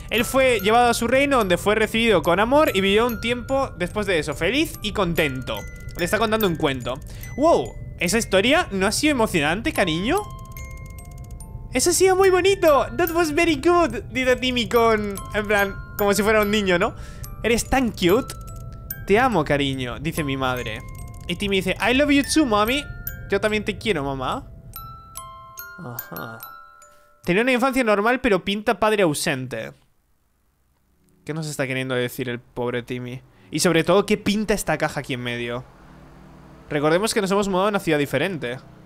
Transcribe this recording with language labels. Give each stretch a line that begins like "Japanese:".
Spanish: Él fue llevado a su reino, donde fue recibido con amor y vivió un tiempo después de eso, feliz y contento. Le está contando un cuento. ¡Wow! ¿Esa historia no ha sido emocionante, cariño? ¡Eso ha sido muy bonito!
English: ¡That was very good!
Spanish: Dice Timmy con... En plan, como si fuera un niño, ¿no? ¡Eres tan cute! ¡Te amo, cariño! Dice mi madre. Y Timmy dice,
English: I love you too, mommy.
Spanish: Yo también te quiero, mamá. Ajá. Tenía una infancia normal, pero pinta padre ausente. ¿Qué nos está queriendo decir el pobre Timmy? Y sobre todo, ¿qué pinta esta caja aquí en medio? Recordemos que nos hemos mudado a una ciudad diferente.